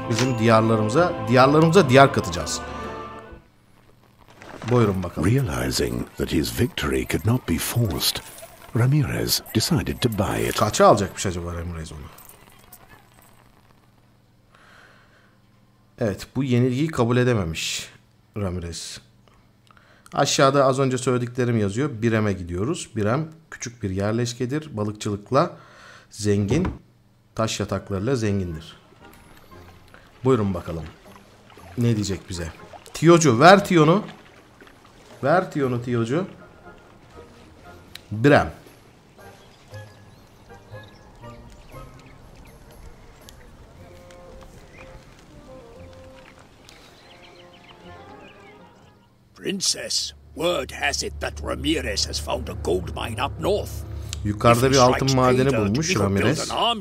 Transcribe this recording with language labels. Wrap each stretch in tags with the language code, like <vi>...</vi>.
<tr>Bizim diyarlarımıza diyar katacağız. Buyurun bakalım.</tr> <en>Realizing that his victory could not be forced, Ramirez decided to buy it.</en> <tr>Kaça alacakmış acaba Ramirez onu? Evet, bu yenilgiyi kabul edememiş Ramirez. Aşağıda az önce söylediklerim yazıyor. Birem'e gidiyoruz. Birem küçük bir yerleşkedir. Balıkçılıkla zengin. Taş yataklarıyla zengindir. Buyurun bakalım. Ne diyecek bize? Tiyocu, ver Tiyon'u. Ver Tiyon'u Tiyocu. Birem.</tr> <en>Princess. Word has it that Ramirez has found a gold mine up north.</en> <tr>Yukarıda bir altın madeni bulmuş Ramirez.</tr>